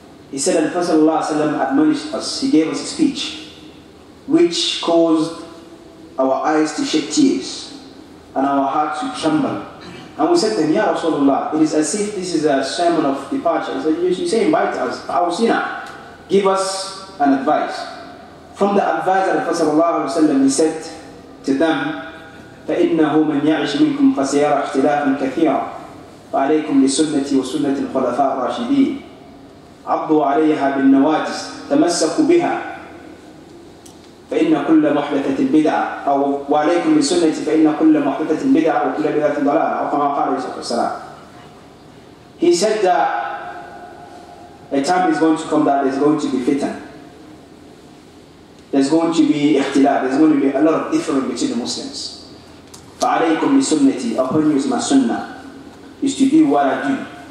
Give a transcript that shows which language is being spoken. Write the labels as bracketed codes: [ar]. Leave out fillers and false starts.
[en] He said, and first Allah sallam admonished us, he gave us a speech which caused our eyes to shed tears and our hearts to tremble. And we said to him, Ya Rasulullah, it is as if this is a sermon of departure. He said, you say invite us, Awsina, give us an advice. From the advice of Rasulullah, he said to them, [ar] فَإِنَّهُ مَنْ يَعِشْ مِنْكُمْ فَسَيَرَ اخْتِلَافًا كَثِيرًا فَعَلَيْكُمْ لِسُنَّةِ وَسُنَّةِ الْخُلَفَاءِ الرَّاشِدِينَ عَضُّوا عَلَيْهَا بِالنَّوَاجِسِ تَمَسَّكُوا بِهَا فَإِنَّ كُلَّ مُحْدَثَةٍ بِدْعَةٍ أَوْ وَعَلَيْكُمْ بِسُنَّةِ فَإِنَّ كُلَّ مُحْدَثَةٍ بِدْعَةٍ وَكُلَّ بِدْعَةٍ ضَلَالَةٍ وَكَمَا قَالَ يُسَفُ السَّلَامِ. [en] He said that a time is going to come that there's going to be fitan. There's going to be ikhtilaf. There's going to be a lot of difference between the Muslims. [ar] فَعَلَيْكُمْ بِسُنَّةِ [en] upon you is my sunnah. Is to do what I do.